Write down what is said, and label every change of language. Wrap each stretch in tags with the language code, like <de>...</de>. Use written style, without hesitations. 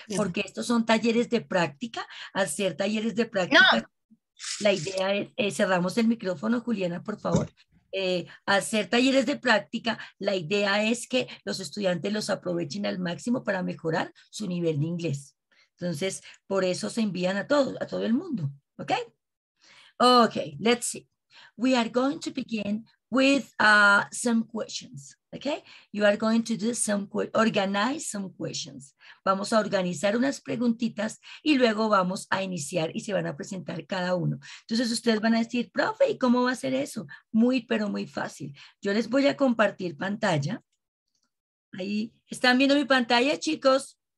<es>Porque estos son talleres de práctica. Al ser talleres de práctica, la idea es, cerramos el micrófono, Juliana, por favor. Al ser talleres de práctica, la idea es que los estudiantes los aprovechen al máximo para mejorar su nivel de inglés. Entonces, por eso se envían a todo el mundo. ¿Ok?</es> <en>Okay, let's see. We are going to begin with some questions, okay? You are going to do organize some questions.</en> <es>Vamos a organizar unas preguntitas y luego vamos a iniciar y se van a presentar cada uno. Entonces ustedes van a decir, profe, ¿y cómo va a ser eso? Muy, pero muy fácil. Yo les voy a compartir pantalla. Ahí, ¿están viendo mi pantalla, chicos?</es>